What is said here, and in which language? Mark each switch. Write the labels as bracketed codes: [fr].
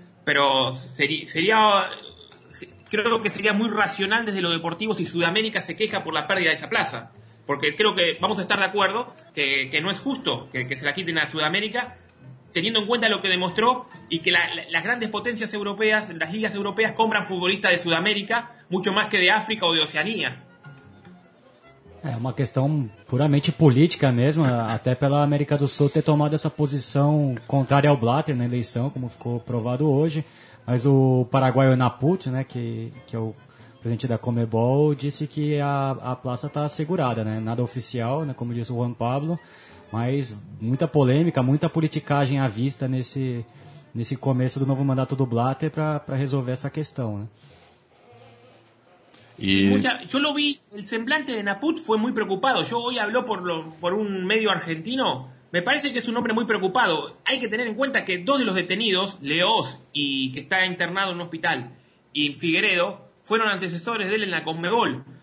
[es] Pero sería, creo que sería muy racional desde lo deportivo si Sudamérica se queja por la pérdida de esa plaza. Porque creo que vamos a estar de acuerdo que no es justo que se la quiten a Sudamérica, teniendo en cuenta lo que demostró y que las grandes potencias europeas, las ligas europeas, compran futbolistas de Sudamérica mucho más que de África o de Oceanía. [pt] É uma questão puramente política mesmo, até pela América do Sul ter tomado essa posição contrária ao Blatter na eleição, como ficou provado hoje. Mas o paraguaio Naput, né, que é o presidente da Conmebol, disse que a plaça está assegurada, né? Nada oficial, né, como disse o Juan Pablo, mas muita polêmica, muita politicagem à vista nesse começo do novo mandato do Blatter para resolver essa questão, né? [es] Yo lo vi, el semblante de Naput fue muy preocupado. Yo hoy habló por un medio argentino. Me parece que es un hombre muy preocupado. Hay que tener en cuenta que dos de los detenidos, Leoz, y que está internado en un hospital, y Figueredo, fueron antecesores de él en la Conmebol.